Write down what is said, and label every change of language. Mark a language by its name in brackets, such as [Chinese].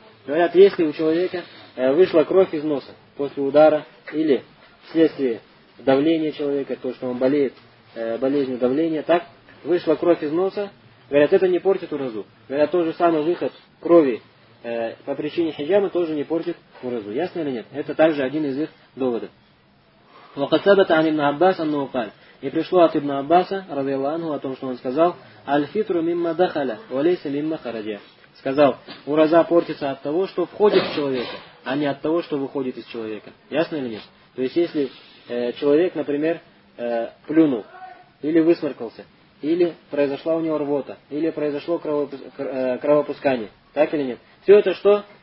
[Russian] Говорят, если у человека вышла кровь из носа после удара или вследствие давления человека, то, что он болеет болезнью давления, так, вышла кровь из носа, говорят, это не портит уразу. Говорят, тот же самый выход крови по причине хиджамы тоже не портит уразу. Ясно или нет? Это также один из их доводов. [Arabic] وَقَصَبَتَ عَنِ ابْنَ عَبَّاسَ أَنَّهُ قَالَ [Russian] и пришло от Ибн Аббаса, [Arabic] رضي الله عنه, [Russian] о том, что он сказал, [Arabic] أَلْفِتْرُ مِمَّ دَخَلَ وَلَيْسَ مِمَّ خَرَجَ. [Russian] Сказал, ураза портится от того, что входит в человека, а не от того, что выходит из человека. Ясно или нет? То есть, если человек, например, плюнул или высморкался, или произошла у него рвота, или произошло кровопускание, так или нет? Все это что?